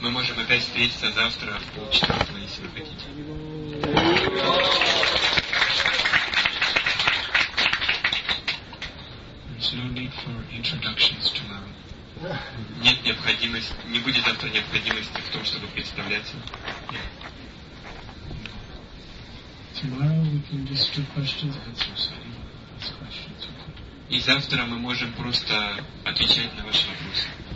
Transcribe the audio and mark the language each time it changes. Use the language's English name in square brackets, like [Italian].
[Russian] Мы можем опять встретиться завтра в полчаса, если вы хотите. [English] There's no need for introductions tomorrow. [Russian] Нет необходимости, не будет завтра необходимости в том, чтобы представляться. [English] Tomorrow we can just do questions and answers. Anyone has questions? [Russian] И завтра мы можем просто отвечать на ваши вопросы.